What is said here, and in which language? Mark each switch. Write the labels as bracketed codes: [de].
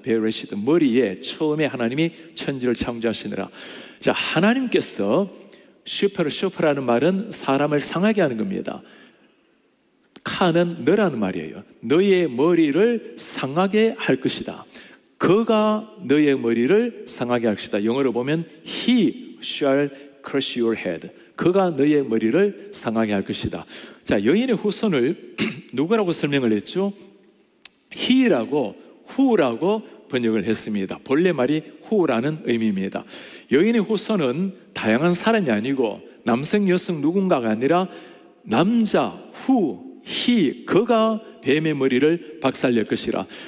[ko] 베레시트, 머리에 처음에 하나님이 천지를 창조하시느라. 자, 하나님께서 슈퍼를, 슈퍼라는 말은 사람을 상하게 하는 겁니다. 카는 너라는 말이에요. 너의 머리를 상하게 할 것이다. 그가 너의 머리를 상하게 할 것이다. 영어로 보면 [en] He shall crush your head. [ko] 그가 너의 머리를 상하게 할 것이다. 자, 여인의 후손을 누구라고 설명을 했죠? He라고, who라고 번역을 했습니다. 본래 말이 후라는 의미입니다. 여인의 후손은 다양한 사람이 아니고 남성, 여성 누군가가 아니라 남자, 후, 히, 그가 뱀의 머리를 박살낼 것이라.